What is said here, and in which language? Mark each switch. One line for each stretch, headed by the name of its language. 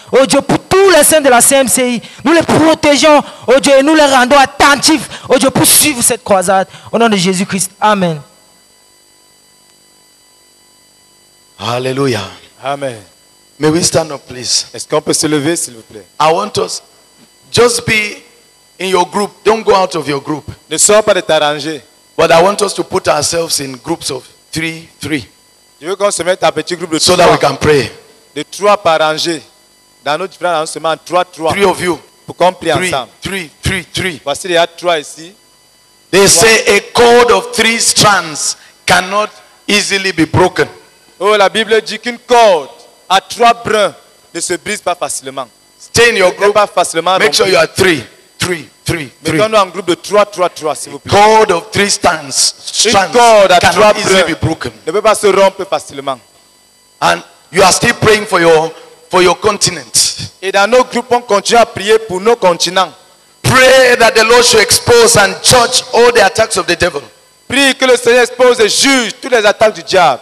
French: Ô Dieu, pour tous les saints de la CMCI, nous les protégeons, ô Dieu, et nous les rendons attentifs, ô Dieu, pour suivre cette croisade. Au nom de Jésus-Christ, amen. Alléluia. Amen.
English: May we stand up, please.
French: Est-ce qu'on peut se lever, s'il vous plaît?
English: I want us, just be in your group. Don't go out of your group.
French: Ne sors pas de ta rangée.
English: But I want us to put ourselves in groups of three.
French: Je veux qu'on se mette à petit groupe de trois.
English: So that we can pray.
French: De trois par rangée. Dans notre frère, on se met en trois.
English: Three of you.
French: Pour qu'on prie ensemble.
English: Three.
French: Voici, il y a trois ici.
English: They say a cord of three strands cannot easily be broken.
French: Oh, la Bible dit qu'une corde à trois brins ne se brise pas facilement.
English: Stay in your group.
French: Pas facilement.
English: Make sure you are three.
French: Mettons-nous en groupe de trois, s'il vous plaît.
English: Cord of three strands. Cannot easily be broken.
French: Ne peut pas se rompre facilement.
English: And you are still praying for your continent.
French: Et dans nos groupes, on continue à prier pour nos continents.
English: Pray that the Lord should expose and judge all the attacks of the devil.
French: Prie que le Seigneur expose et juge toutes les attaques du diable.